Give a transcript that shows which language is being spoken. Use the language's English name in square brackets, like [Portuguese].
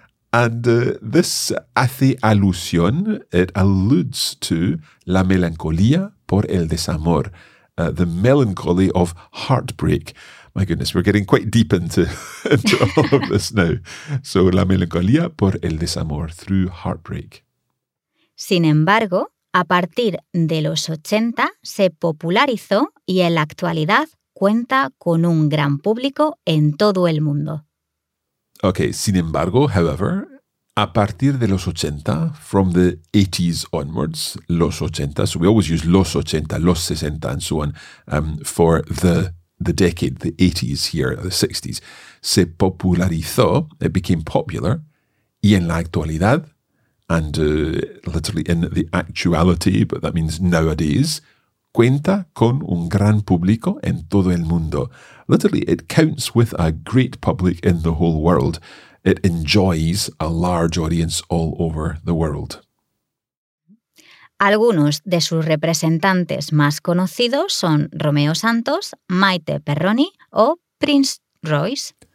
[English] And this hace alusión, it alludes to [Spanish] la melancolía por el desamor, [English] the melancholy of heartbreak. My goodness, we're getting quite deep into all of this now. So, [Spanish] la melancolía por el desamor, [English] through heartbreak. [Spanish] Sin embargo, a partir de los 80 se popularizó y en la actualidad cuenta con un gran público en todo el mundo. [English] Okay, sin embargo, however, [Spanish] a partir de los 80, [English] from the 80s onwards, los 80, so we always use los 80, los 60 and so on, for the decade, the 80s here, the 60s, se popularizó, it became popular, y en la actualidad, and literally in the actuality, but that means nowadays, [Spanish] cuenta con un gran público en todo el mundo. [English] Literally, it counts with a great public in the whole world. It enjoys a large audience all over the world. [Spanish] Algunos de sus representantes más conocidos son Romeo Santos, Maite Perroni o Prince Royce.